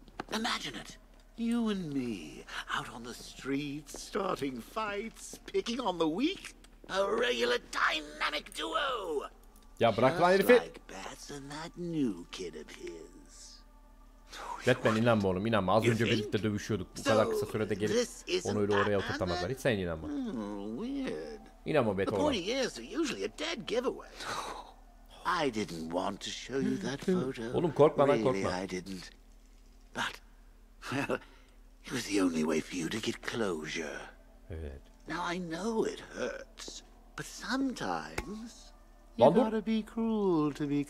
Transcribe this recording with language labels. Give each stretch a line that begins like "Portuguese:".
English: Imagine it. You and me out on the streets starting fights, picking on the weak. A regular dynamic duo.
Turkish: Ya bırak lan herifi.
English: Like Bats and that new kid of his.
Turkish: Batman inanma oğlum inanma. Az önce birlikte dövüşüyorduk. Bu kadar kısa sürede gelip onu öyle oraya oturtamazlar. Hiç sen inanma.
English: Weird.
Turkish: İnanma Batman.
English: The point is, they're usually a dead giveaway. I didn't want to show you that photo.
Turkish: Oğlum korkma lan korkma.
English: Really, I didn't. But, well, it was the only way for you to get closure.
Turkish: Evet.
English: Now I know it hurts, but sometimes you gotta be cruel to be kind.